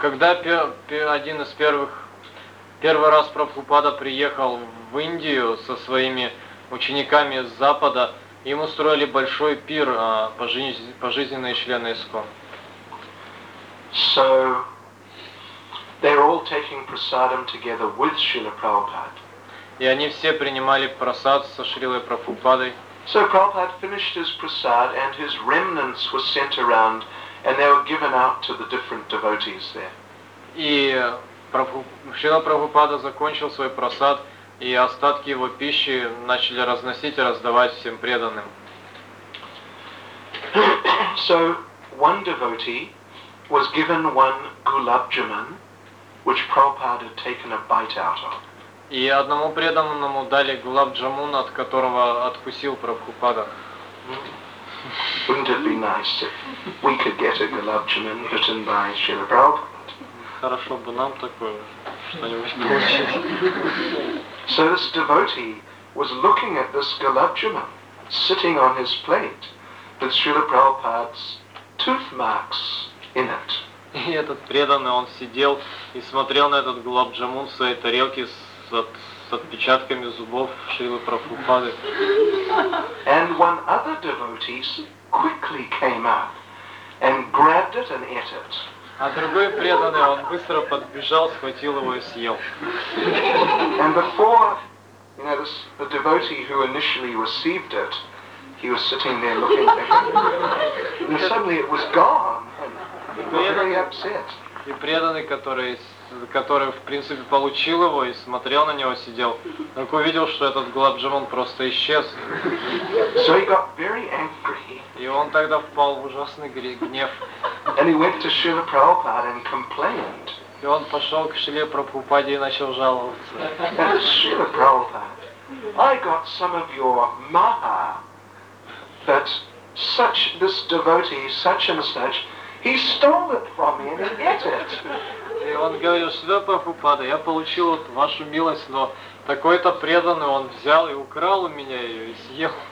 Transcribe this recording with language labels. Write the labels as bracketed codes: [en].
[ru] Когда один из первых, первый раз Прабхупада приехал в Индию со своими учениками с Запада, им устроили большой пир, пожизненные члены ИСКО. [en] So they're all taking prasadam together with Srila Prabhupada. [ru] И они все принимали прасад со Шрилой Прабхупадой. [en] So Prabhupada finished his prasad and his remnants were sent around and they were given out to the different devotees there. [ru] И Шрила Прабхупада закончил свой прасад, и остатки его пищи начали разносить и раздавать всем преданным. [en] So one devotee was given one gulab jamun, which Prabhupada had taken a bite out of. [ru] И одному преданному дали гулаб джамун, от которого откусил Прабхупада. [en] Wouldn't it be nice if we could get a gulab jamun written by Srila Prabhupada? [ru] Хорошо бы нам такое что-нибудь получить. [en] So this devotee was looking at this gulab jamun sitting on his plate with Srila Prabhupada's tooth marks in it. [ru] И этот преданный, он сидел и смотрел на этот гулаб джамун в своей тарелке с отпечатками зубов Шрилы Прабхупады. [en] And one other devotee quickly came up and grabbed it and ate it. [ru] А другой преданный, он быстро подбежал, схватил его и съел. [en] And before, you know, this, the devotee who initially received it, he was sitting there looking at it. And suddenly it was gone, and he was very upset. [ru] И преданный, который, в принципе, получил его и смотрел на него, сидел, так увидел, что этот гулабджамун просто исчез. [en] So he got very angry. [ru] И он тогда впал в ужасный гнев. [en] And he went to Srila Prabhupada and complained. [ru] И он пошел к Шриле Прабхупаде и начал жаловаться. [en] Srila Prabhupada, I got some of your maha, but such this devotee, such and such, he stole it from me and he ate it. [ru] И он говорил, Шрила Прабхупада, я получил вот вашу милость, но такой-то преданный, он взял и украл у меня ее и съел.